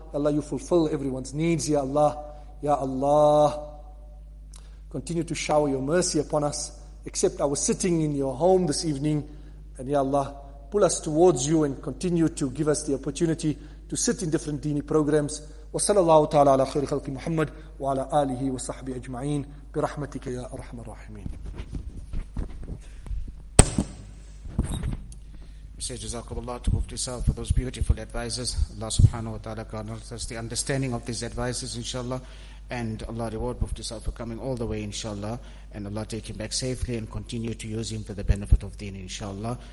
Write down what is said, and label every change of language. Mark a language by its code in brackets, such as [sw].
[en] Ya Allah, you fulfill everyone's needs, Ya Allah. Ya Allah, continue to shower your mercy upon us. Accept our sitting in your home this evening. And Ya Allah, pull us towards you and continue to give us the opportunity to sit in different deeni programs. [ar] وصلى الله تعالى على خير خلق محمد وعلى آله وصحبه أجمعين برحمتك يا أرحم الراحمين. [en] We say Jazakumullah to Mufti Sahib for those beautiful advices. Allah subhanahu wa ta'ala grant us the understanding of these advices, inshallah. And Allah reward Mufti Sahib for coming all the way, inshallah. And Allah take him back safely and continue to use him for the benefit of deen, inshallah.